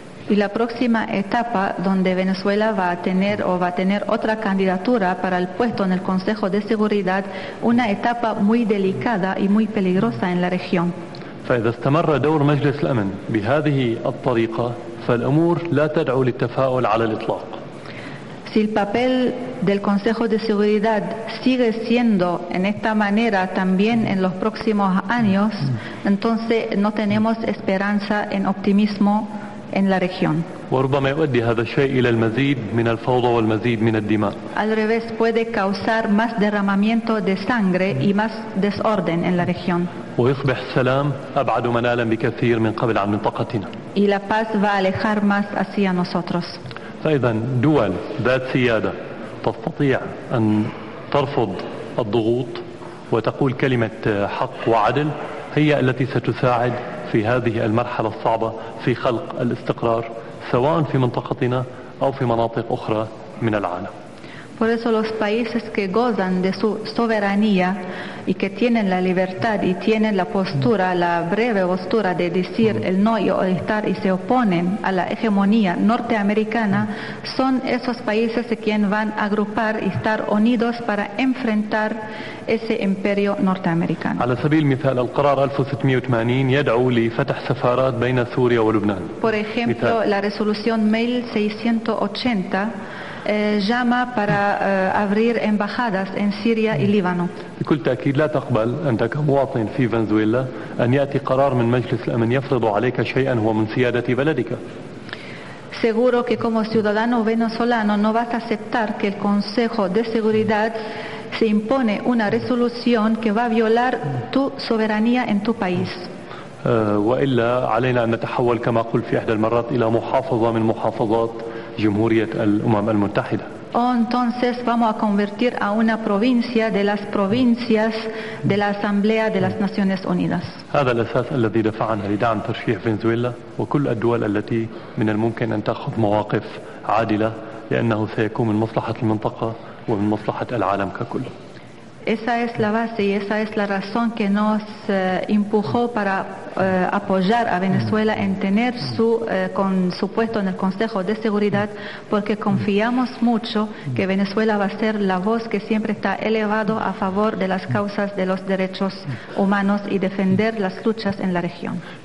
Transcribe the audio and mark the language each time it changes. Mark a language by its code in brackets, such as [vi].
[es] Y la próxima etapa donde Venezuela va a tener o va a tener otra candidatura para el puesto en el Consejo de Seguridad, una etapa muy delicada y muy peligrosa en la región. [ar] فإذا استمر دور مجلس الأمن بهذه الطريقة فالأمور لا تدعو للتفاؤل على الإطلاق. [es] Si el papel del Consejo de Seguridad sigue siendo en esta manera también en los próximos años, entonces no tenemos esperanza en optimismo en la región. [ar] وربما يؤدي هذا الشيء إلى المزيد من الفوضى والمزيد من الدماء. [es] Al revés, puede causar más derramamiento de sangre y más desorden en la región. [ar] ويصبح السلام أبعد منالا بكثير من قبل عن منطقتنا. [es] Y la paz va a alejar más hacia nosotros. [ar] فإذا دول ذات سيادة تستطيع أن ترفض الضغوط وتقول كلمة حق وعدل هي التي ستساعد في هذه المرحلة الصعبة في خلق الاستقرار سواء في منطقتنا أو في مناطق أخرى من العالم. [es] Por eso los países que gozan de su soberanía y que tienen la libertad y tienen la postura, la breve postura de decir el no y o estar y se oponen a la hegemonía norteamericana, son esos países quienes van a agrupar y estar unidos para enfrentar ese imperio norteamericano. [ar] على سبيل المثال القرار 1680 يدعو لفتح سفارات بين سوريا ولبنان. [es] Por ejemplo, la resolución 1680 llama para abrir embajadas en Siria y Líbano. [ar] بكل تأكيد لا تقبل أنت كمواطن في فنزويلا أن يأتي قرار من مجلس الأمن يفرض عليك شيئا هو من سيادة بلدك. [es] Seguro que como ciudadano venezolano no vas a aceptar que el Consejo de Seguridad se impone una resolución que va a violar tu soberanía en tu país. [ar] وإلا علينا أن نتحول كما قلت في إحدى المرات إلى محافظة من محافظات جمهورية الأمم المتحدة. [es] O entonces vamos a convertir a una provincia de las provincias de la Asamblea de las Naciones Unidas. [ar] هذا الأساس الذي دفعنا لدعم ترشيح فنزويلا وكل الدول التي من الممكن أن تأخذ مواقف عادلة لأنه سيكون من مصلحة المنطقة ومن مصلحة العالم ككل. [es] Esa es la base y esa es la razón que nos empujó para apoyar a Venezuela en tener su puesto en el Consejo de Seguridad, porque confiamos mucho que Venezuela va a ser la voz que siempre está elevado a favor de las causas de los derechos humanos y defender las luchas en la región.